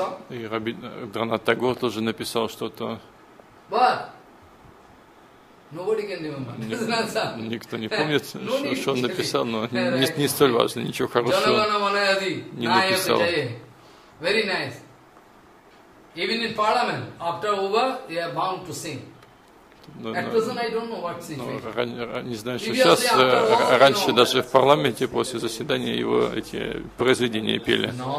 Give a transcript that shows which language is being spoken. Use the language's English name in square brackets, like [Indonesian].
[Russian] И Рабиндранат Тагор тоже написал что-то. Никто не помнит, что он написал, но не столь важно, ничего хорошего не написал. [English] Very nice. Even in parliament, after over, they are bound to sing. [Russian] Не знаю, что сейчас, раньше даже в парламенте после заседания его эти произведения пели.